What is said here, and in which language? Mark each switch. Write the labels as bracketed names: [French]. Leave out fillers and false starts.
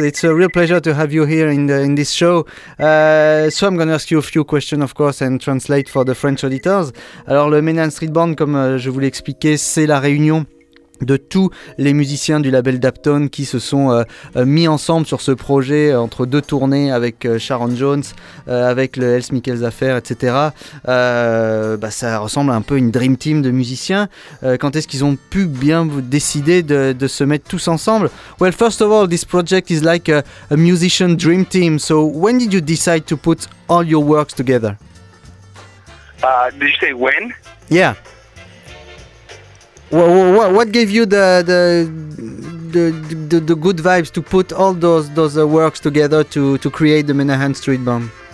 [English] It's a real pleasure to have you here in this show. So I'm going to ask you a few questions, of course, and translate for the French auditors. [French] Alors le Menahan Street Band, comme je vous l'ai expliqué, c'est la réunion de tous les musiciens du label Daptone qui se sont mis ensemble sur ce projet entre 2 tournées avec Sharon Jones, avec le Els Michaels Affair, etc. Ça ressemble un peu à une dream team de musiciens. Quand est-ce qu'ils ont pu bien décider de se mettre tous ensemble? [English] Well, first of all, this project is like a musician dream team. So when did you decide to put all your works together? Did you say when? Yeah. What gave you the good vibes to put all those works together to create the Menahan Street Band?